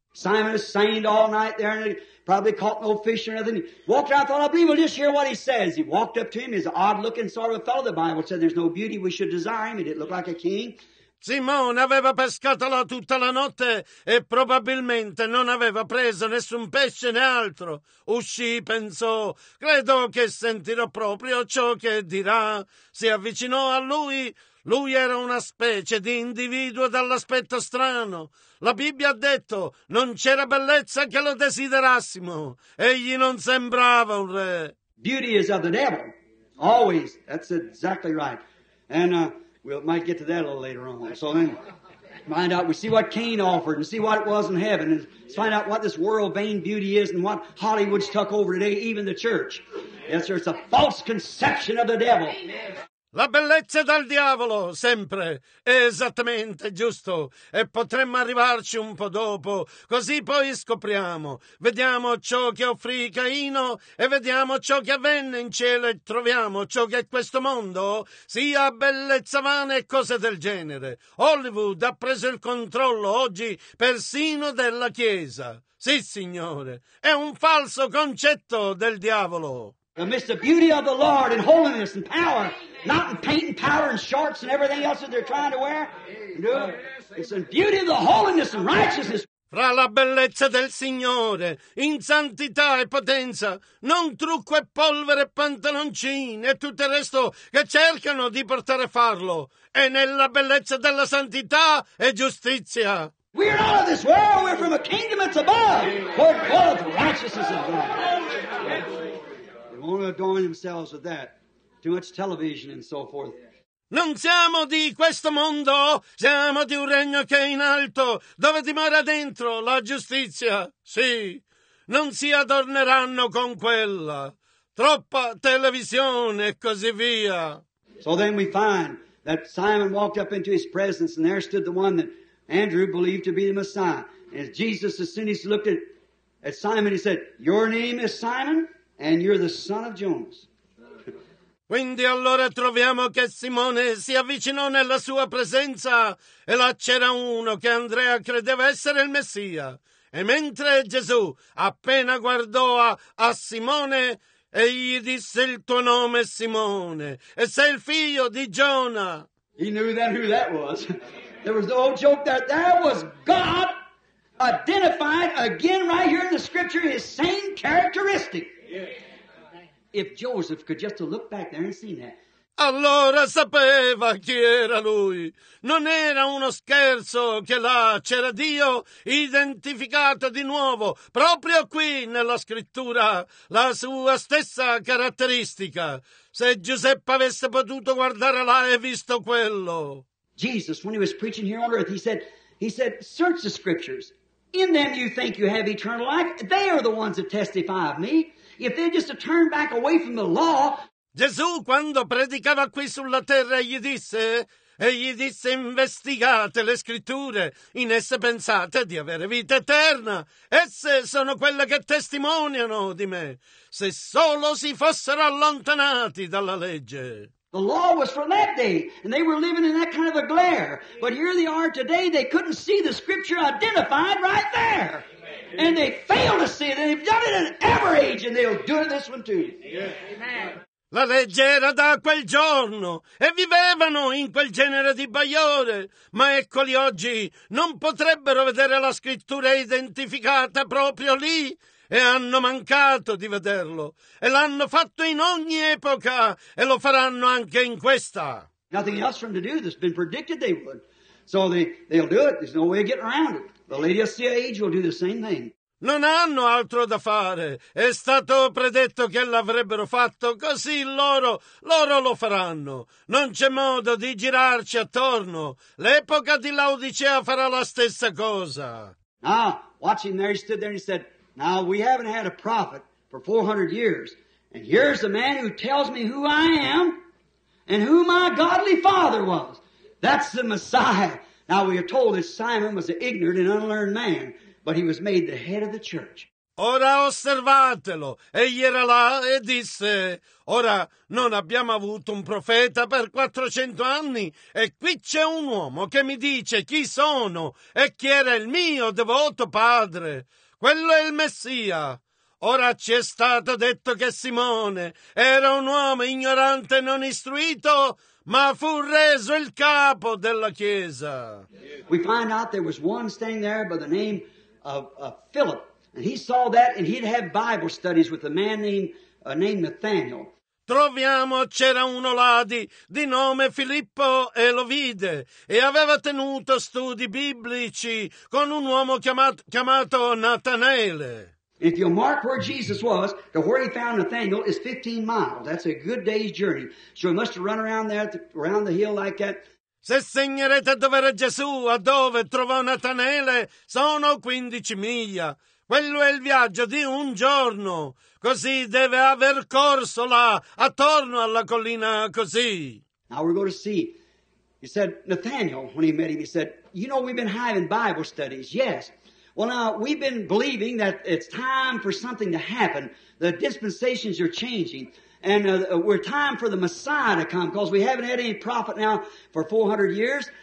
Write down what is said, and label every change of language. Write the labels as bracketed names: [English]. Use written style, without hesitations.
[English] Simon sang all night there and probably caught no fish or nothing. Walked out, thought, I believe we'll just hear what he says. He walked up to him, he's an odd-looking sort of a fellow. The Bible said there's no beauty, we should desire him. He didn't look like a king. [Italian] Simone aveva pescato là tutta la notte e probabilmente non aveva preso nessun pesce né altro. Uscì, pensò, credo che sentirò proprio ciò che dirà. Si avvicinò a lui. Lui era una specie di individuo dall'aspetto strano. La Bibbia ha detto, non c'era bellezza che lo desiderassimo. Egli non sembrava un re. [English] Beauty is of the devil. Always. That's exactly right. And we might get to that a little later on. So then, find out, we see what Cain offered and see what it was in heaven. And find out what this world vain beauty is and what Hollywood's took over today, even the church. Yes, sir, it's a false conception of the devil. [Italian] La bellezza dal diavolo, sempre, è esattamente giusto, e potremmo arrivarci un po' dopo, così poi scopriamo, vediamo ciò che offrì Caino e vediamo ciò che avvenne in cielo e troviamo ciò che è questo mondo, sia bellezza vana e cose del genere. Hollywood ha preso il controllo oggi persino della Chiesa. Sì, signore, è un falso concetto del diavolo. [English] Amidst the beauty of the Lord and holiness and power, not in paint and powder and shorts and everything else that they're trying to wear. No. It's in beauty of the holiness and righteousness. [Italian] Fra la bellezza del Signore, in santità e potenza, non trucco e polvere e pantaloncini e tutto il resto che cercano di portare a farlo. È nella bellezza della santità e giustizia. [English] We're not of this world, we're from a kingdom that's above. We're full of righteousness and God. Only adorn themselves with that. Too much television and so forth. [Italian] Non siamo di questo mondo, siamo di un regno che è in alto, dove dimora dentro la giustizia. Sì, non si adorneranno con quella. Troppa televisione e così via. [English] So then we find that Simon walked up into his presence and there stood the one that Andrew believed to be the Messiah. And Jesus, as soon as he looked at Simon, he said, your name is Simon? And you're the son of Jonas. [Italian] Quindi allora troviamo che Simone si avvicinò nella sua presenza e là c'era uno che Andrea credeva essere il Messia. E mentre Gesù appena guardò a Simone e gli disse il tuo nome è Simone e sei il figlio di Giona. [English] He knew then who that was. There was no joke that that was God identified again right here in the scripture his same characteristic. If Joseph could just look back there and see that. [Italian] Allora sapeva chi era lui. Non era uno scherzo che là c'era Dio identificato di nuovo, proprio qui nella scrittura, la sua stessa caratteristica. Se Giuseppe avesse potuto guardare là e visto quello. [English] Jesus, when he was preaching here on earth, he said, search the scriptures. In them you think you have eternal life. They are the ones that testify of me. If they just turn back away from the law. [Italian] Gesù, quando predicava qui sulla terra, egli disse, investigate le scritture, in esse pensate di avere vita eterna. Esse sono quelle che testimoniano di me, se solo si fossero allontanati dalla legge. [English] The law was from that day, and they were living in that kind of a glare. But here they are today, they couldn't see the scripture identified right there. And they fail to see it. They've done it in every age, and they'll do it in this one too. Amen. [Italian] La legge era da quel giorno, e vivevano in quel genere di bagliore. Ma eccoli oggi, non potrebbero vedere la scrittura identificata proprio lì, e hanno mancato di vederlo. E l'hanno fatto in ogni epoca, e lo faranno anche in questa. [English] Nothing else for them to do. That's been predicted they would. So they'll do it. There's no way of getting around it. The Lady of Sea Age will do the same thing. [Italian] Non hanno altro da fare. È stato predetto che l'avrebbero fatto, così loro lo faranno. Non c'è modo di girarci attorno. L'epoca di Laodicea farà la stessa cosa. [English] Now, watching there, he stood there and he said, now, we haven't had a prophet for 400 years, and here's the man who tells me who I am and who my godly father was. That's the Messiah. Now, we are told that Simon was an ignorant and unlearned man, but he was made the head of the church. [Italian] Ora osservatelo. Egli era là e disse, ora non abbiamo avuto un profeta per 400 anni e qui c'è un uomo che mi dice chi sono e chi era il mio devoto padre. Quello è il Messia. Ora ci è stato detto che Simone era un uomo ignorante e non istruito, ma fu reso il capo della Chiesa. [English] We find out there was one standing there by the name of Philip. And he saw that and he'd have Bible studies with a man named Nathaniel. [Italian] Troviamo c'era uno là di nome Filippo e lo vide e aveva tenuto studi biblici con un uomo chiamato Natanaele. [English] If you mark where Jesus was, to where he found Nathaniel is 15 miles. That's a good day's journey. So he must have run around the hill like that. [Italian] Se segnerete dove era Gesù, a dove trovò Natanaele, sono 15 miglia. Quello è il viaggio di un giorno. Così deve aver corso là, attorno alla collina, così. [English] Now we're going to see. He said, Nathaniel, when he met him, he said, you know, we've been having Bible studies. Yes. Well, now, we've been believing that it's time for something to happen. The dispensations are changing. And we're time for the Messiah to come, because we haven't had any prophet now for 400 years.